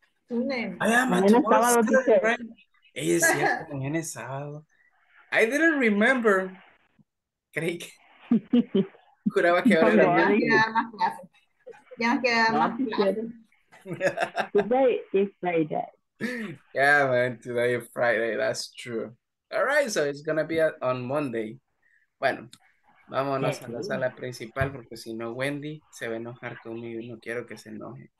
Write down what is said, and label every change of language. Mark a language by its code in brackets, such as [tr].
[es] Mañana sábado, teacher. Ella es cierto, mañana es sábado. [en] I didn't remember. [es] Creí que... Juraba que ahora... Ya nos quedaba más clases. Ya nos quedaba más [en] clases. Today is Friday. Yeah, man, today is Friday. That's true. All right, so it's going to be on Monday. [es] Bueno, vámonos a la sala principal, porque si no, Wendy se va a enojar conmigo y no quiero que se enoje.